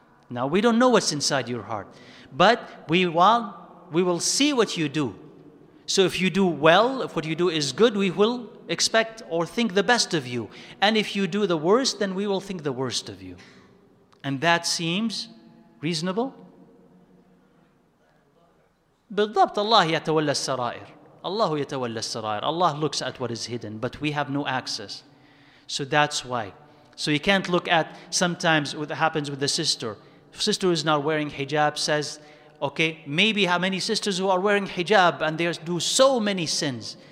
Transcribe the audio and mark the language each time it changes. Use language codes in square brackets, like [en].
[en] Now we don't know what's inside your heart. But we will see what you do. So if you do well, if what you do is good, we will expect or think the best of you. And if you do the worst, then we will think the worst of you. And that seems reasonable. [ar] بالضبط الله يتولى السرائر. الله يتولى السرائر. [en] Allah looks at what is hidden, but we have no access. So that's why. So you can't look at, sometimes what happens with the sister. Sister who is not wearing hijab says, okay, maybe how many sisters who are wearing hijab and they do so many sins.